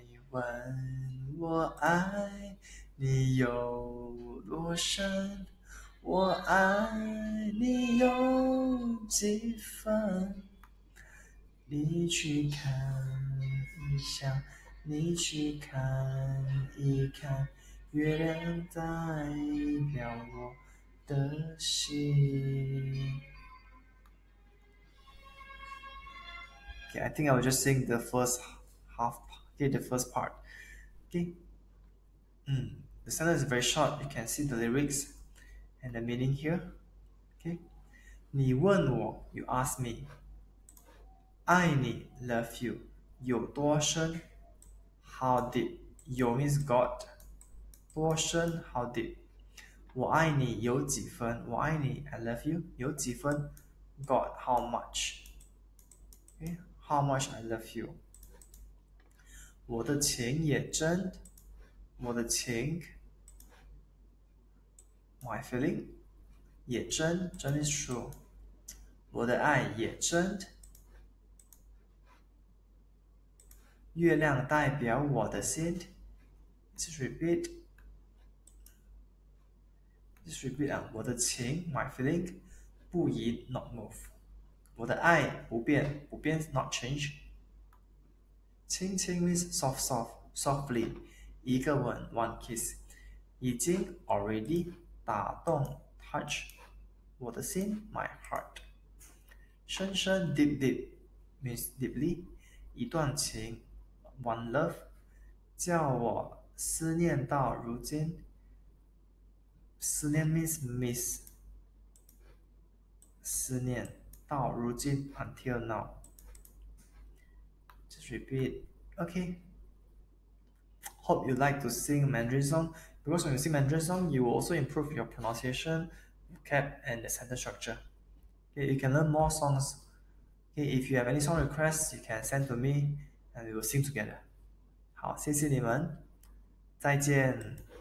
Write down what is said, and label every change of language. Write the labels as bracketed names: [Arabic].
[Chinese] 问我爱你有多深，我爱你有几分？你去看一下，你去看一看，月亮代表我的心。 [English] Okay, I think I will just sing the first half. Okay, the first part. Okay. The sentence is very short. You can see the lyrics and the meaning here. Okay. [Chinese] 你问我， [English] you ask me， [Chinese] 爱你， [English] love you， [Chinese] 有多深？ [English] How deep？有 means got， [Chinese] 多深？ [English] How deep？ [Chinese] 我爱你有几分？我爱你， [English] I love you， [Chinese] 有几分？ [English] Got how much？Okay，how much I love you。 [Chinese] 我的情也真，我的情， [English] my feeling [Chinese] 也真，真 [English] is true。 [Chinese] 我的爱也真，月亮代表我的心。 [English] Just repeat 啊， [Chinese] 我的情， [English] my feeling， [Chinese] 不移， [English] not move。 [Chinese] 我的爱不变，不变 [English] not change。 [Chinese] 轻轻 [English] means soft soft softly， [Chinese] 一个吻 [English] one kiss，已经 already [Chinese] 打动 [English] touch [Chinese] 我的心 [English] my heart。 [Chinese] 深深 deep deep [English] means deeply， [Chinese] 一段情 [English] one love， [Chinese] 叫我思念到如今。思念 [English] means miss， [Chinese] 思念。到如今， [English] until now。 Just repeat, okay. Hope you like to sing Mandarin song. Because when you sing Mandarin song, you will also improve your pronunciation, vocab, and the sentence structure. Okay, you can learn more songs. Okay, if you have any song requests, you can send to me, and we will sing together. [Chinese] 好，谢谢你们，再见。